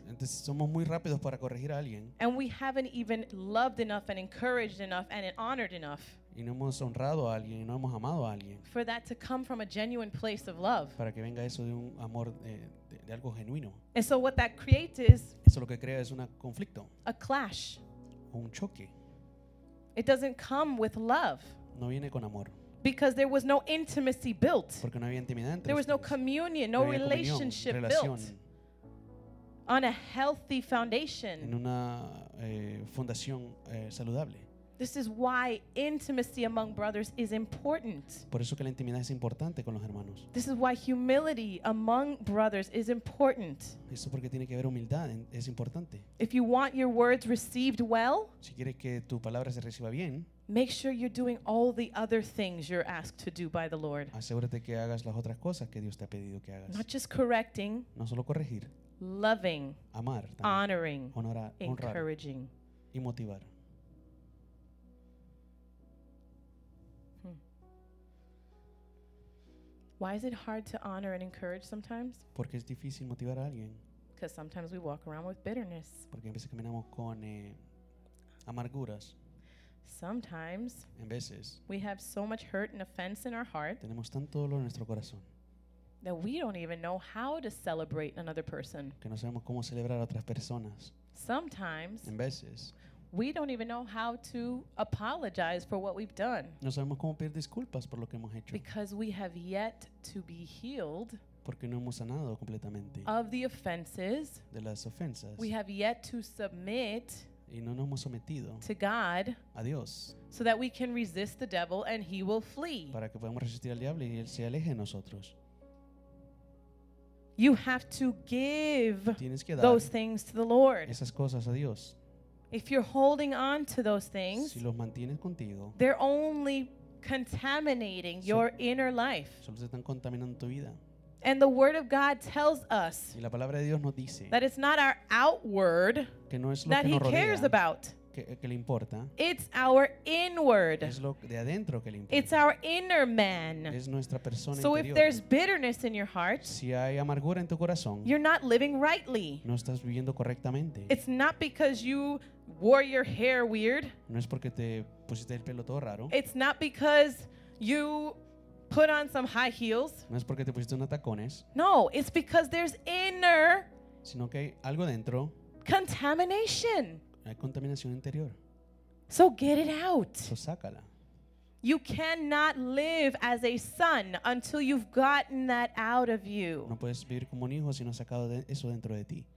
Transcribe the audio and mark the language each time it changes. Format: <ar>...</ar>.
<es>Entonces somos muy rápidos para corregir a alguien.</es> <en>And we haven't even loved enough and encouraged enough and honored enough.</en> <es>Y no hemos honrado a alguien, y no hemos amado a alguien.</es> <en>For that to come from a genuine place of love.</en> <es>Para que venga eso de un amor de algo genuino.</es> <en>And so what that creates is.</en> <es>Eso lo que crea es un conflicto.</es> <en>A clash.</en> <es>Un choque.</es> <en>It doesn't come with love.</en> <es>No viene con amor.</es> <en>Because there was no intimacy built.</en> <es>Porque no había intimidad entre</es> <en>there was no communion, no relationship</en> <es>comunión,</es> <en>built. On a healthy foundation.</en> <es>En una fundación saludable.</es> <en>This is why intimacy among brothers is important.</en> <es>Por eso que la intimidad es importante con los hermanos.</es> <en>This is why humility among brothers is important.</en> <es>Eso porque tiene que haber humildad, es importante.</es> <en>If you want your words received well,</en> <es>si quieres que tu palabra se reciba bien,</es> <en>make sure you're doing all the other things you're asked to do by the Lord.</en> <es>Asegúrate que hagas las otras cosas que Dios te ha pedido que hagas.</es> <en>Not just correcting,</en> <es>no solo corregir.</es> <en>Loving,</en> <es>amar, también.</es> <en>Honoring,</en> <es>honrar,</es> <en>encouraging,</en> <es>y motivar.</es> <en>Why is it hard to honor and encourage sometimes?</en> <es>Porque es difícil motivar a alguien.</es> <en>Because sometimes we walk around with bitterness.</en> <es>Porque a veces caminamos con amarguras.</es> <en>Sometimes,</en> <es>en veces,</es> <en>we have so much hurt and offense in our heart,</en> <es>tenemos tanto dolor en nuestro corazón,</es> <en>that we don't even know how to celebrate another person.</en> <es>Que no sabemos cómo celebrar a otras personas.</es> <en>Sometimes,</en> <es>en veces,</es> <en>we don't even know how to apologize for what we've done.</en> <es>No sabemos cómo pedir disculpas por lo que hemos hecho.</es> <en>Because we have yet to be healed.</en> <es>Porque no hemos sanado completamente.</es> <en>Of the offenses,</en> <es>de las ofensas.</es> <en>We have yet to submit.</en> <es>Y no nos hemos sometido</es> <en>to God,</en> <es>a Dios,</es> <en>so that we can resist the devil and he will flee.</en> <es>Para que podamos resistir al diablo y él se aleje de nosotros.</es> <en>You have to give</en> <es>tienes que dar</es> <en>those things to the Lord.</en> <es>Esas cosas a Dios.</es> <en>If you're holding on to those things,</en> <es>si los mantienes contigo,</es> <en>they're only contaminating your inner life.</en> <es>Solo se están contaminando tu vida.</es> <en>And the Word of God tells us</en> <es>y la palabra de Dios nos dice</es> <en>that it's not our outward</en> <es>que no es lo</es> <en>that</en> <es>que</es> <en>He</en> <es>nos rodea,</es> <en>cares about.</en> <es>Que le importa.</es> <en>It's our inward.</en> <es>Es lo de adentro que le importa.</es> <en>It's our inner man.</en> <es>Es nuestra persona</es> <en>so</en> <es>interior.</es> <en>If there's bitterness in your heart,</en> <es>si hay amargura en tu corazón,</es> <en>you're not living rightly.</en> <es>No estás viviendo correctamente.</es> <en>It's not because you wore your hair weird.</en> <es>No es porque te pusiste el pelo todo raro.</es> <en>It's not because you put on some high heels.</en> <es>No es porque te pusiste unos tacones.</es> <en>No, it's because there's inner</en> <es>sino que hay algo dentro.</es> <en>Contamination.</en> <es>Hay contaminación interior.</es> <en>So get it out.</en> <es>So sácala.</es> <en>You cannot live as a son until you've gotten that out of you.</en> <es>No puedes vivir como un hijo si no has sacado eso dentro de ti.</es>